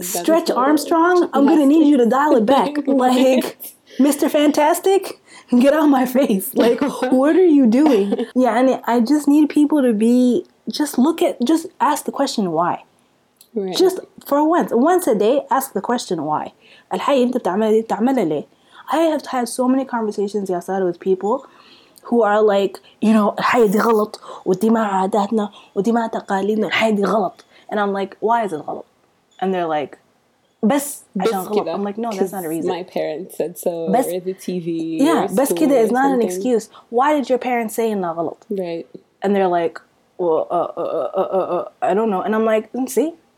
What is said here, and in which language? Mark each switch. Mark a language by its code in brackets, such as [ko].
[en] stretch Armstrong, I'm gonna need you to dial it back, like, Mr. Fantastic, get out of my face, like, what are you doing? Yeah, and I just need people to be, just look at, just ask the question why, right. Just for once a day, ask the question why. [ar] الحي انت بتعملها ليه. [en] I have had so many conversations, يا سارة, with people who are like, you know, [ar] الحياة دي غلط ودي مع عاداتنا ودي مع تقاليدنا الحياة دي غلط. [en] And I'm like, why is it [ar] غلط? [en] And they're like, [ar] بس عشان غلط. [en] I'm like, no, that's not a reason. My parents said so, بس, or the TV. Yeah, or [ar] بس كده [en] is not an excuse. Why did your parents say [ar] انها غلط? [en] Right. And they're like, well, I don't know. And I'm like, see?